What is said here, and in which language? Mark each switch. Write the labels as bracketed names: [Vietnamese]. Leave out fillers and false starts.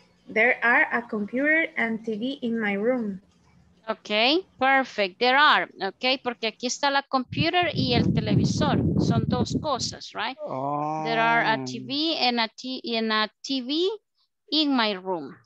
[English] There are a computer and TV in my room. Ok, perfect. There are. [Spanish] Ok, porque aquí está la computer y el televisor. Son dos cosas, right? Oh. [English] There are a TV and a TV in my room.